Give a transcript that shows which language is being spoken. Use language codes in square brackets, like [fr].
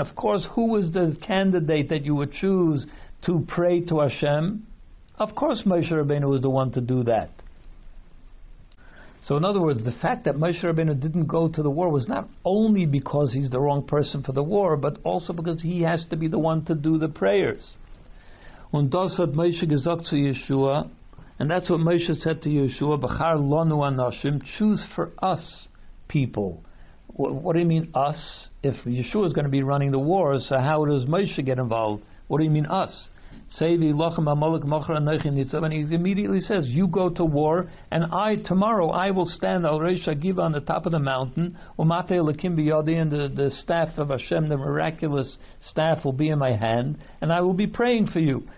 [en] Of course, who is the candidate that you would choose to pray to Hashem? Of course, Moshe Rabbeinu was the one to do that. So, in other words, the fact that Moshe Rabbeinu didn't go to the war was not only because he's the wrong person for the war, but also because he has to be the one to do the prayers. [de] Und das hat Moshe gesagt zu Yeshua. [en] And that's what Moshe said to Yeshua, [he] "Bachar lonu anashim, [en] choose for us people." What do you mean us? If Yeshua is going to be running the war, so how does Moshe get involved? What do you mean us? [he] Sevi lochem amalek mocher anochi nitzav, [en] and he immediately says, "You go to war, and tomorrow I will stand [he] al reish agiva [en] on the top of the mountain, [he] umate elakim biyadi, [en] and the staff of Hashem, the miraculous staff, will be in my hand, and I will be praying for you."